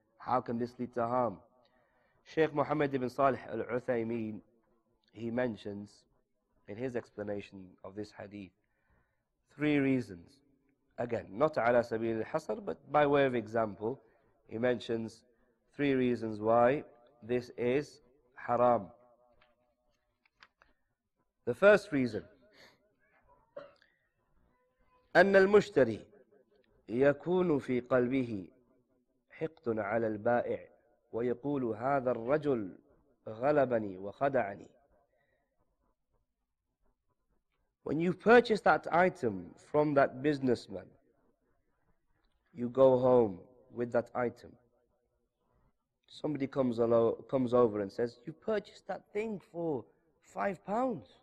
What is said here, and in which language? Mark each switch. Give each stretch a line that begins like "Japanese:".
English: How can this lead to harm? Shaykh Muhammad ibn Salih al-Uthaymeen, he mentions in his explanation of this hadith, three reasons. Again, not
Arabic: ala sabil al-hasr,
English: but by way of example, he mentions three reasons why this is haram. The first reason,
Arabic: أن المشتري يكون في قلبه حقد على البائع ويقول هذا الرجل غلبني وخدعني.
English: When you purchase that item from that businessman, you go home with that item. Somebody comes over and says, you purchased that thing for £5.